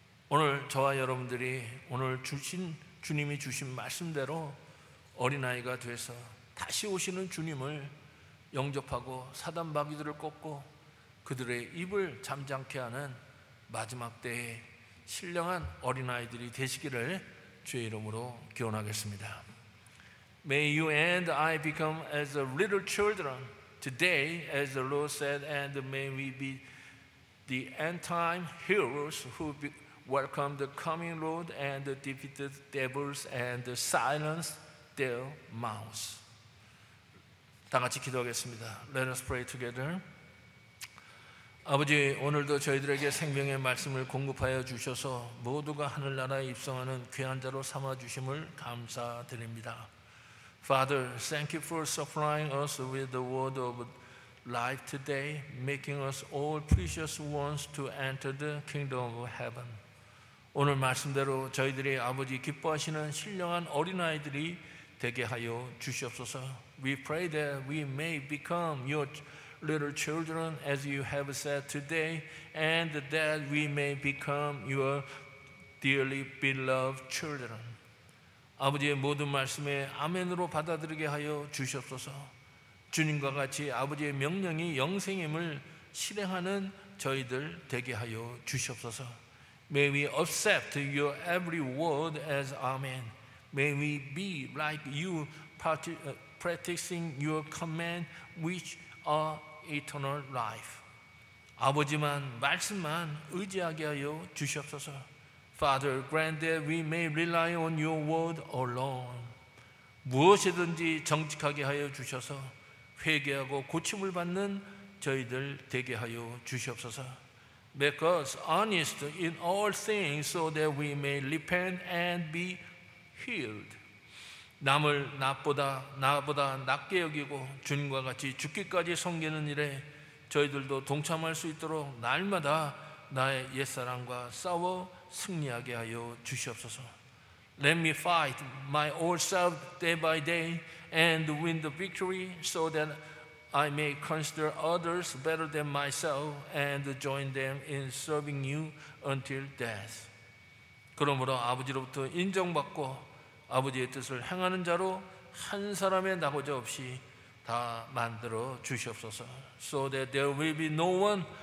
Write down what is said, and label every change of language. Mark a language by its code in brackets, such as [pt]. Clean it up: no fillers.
[ko] 오늘 저와 여러분들이 오늘 주신 주님이 주신 말씀대로 어린아이가 돼서 다시 오시는 주님을 영접하고 사단 마귀들을 꺾고 그들의 입을 잠잠케 하는 마지막 때에 신령한 어린아이들이 되시기를 주의 이름으로 기원하겠습니다. [en] May you and I become as a little children today, as the Lord said, and may we be the end-time heroes who welcome the coming Lord and defeat the devils and silence their mouths. [ko] 다 같이 기도하겠습니다. [en] Let us pray together. [ko] 아버지, 오늘도 저희들에게 생명의 말씀을 공급하여 주셔서 모두가 하늘나라에 입성하는 귀한 자로 삼아주심을 감사드립니다. [en] Father, thank you for supplying us with the word of life today, making us all precious ones to enter the kingdom of heaven. [ko] 오늘 말씀대로 저희들이 아버지 기뻐하시는 신령한 어린아이들이 되게 하여 주시옵소서. [en] We pray that we may become your little children as you have said today and that we may become your dearly beloved children. [ko] 아버지의 모든 말씀에 아멘으로 받아들이게 하여 주시옵소서. 주님과 같이 아버지의 명령이 영생임을 실행하는 저희들 되게 하여 주시옵소서. [en] May we accept your every word as amen. May we be like you practicing your command which are eternal life. [ko] 아버지만 말씀만 의지하게 하여 주시옵소서. [en] Father, grant that we may rely on your word alone. [ko] 무엇이든지 정직하게 하여 주셔서 회개하고 고침을 받는 저희들 되게 하여 주시옵소서. [en] Make us honest in all things so that we may repent and be healed. [ko] 남을 나보다 낮게 여기고 주님과 같이 죽기까지 섬기는 일에 저희들도 동참할 수 있도록 날마다 나의 옛사람과 싸워 승리하게 하여 주시옵소서. [en] Let me fight my old self day by day and win the victory so that I may consider others better than myself and join them in serving you until death. [ko] 그러므로 아버지로부터 인정받고 아버지의 뜻을 행하는 자로 한 사람의 나고자 없이 다 만들어 주시옵소서. [en] So that there will be no one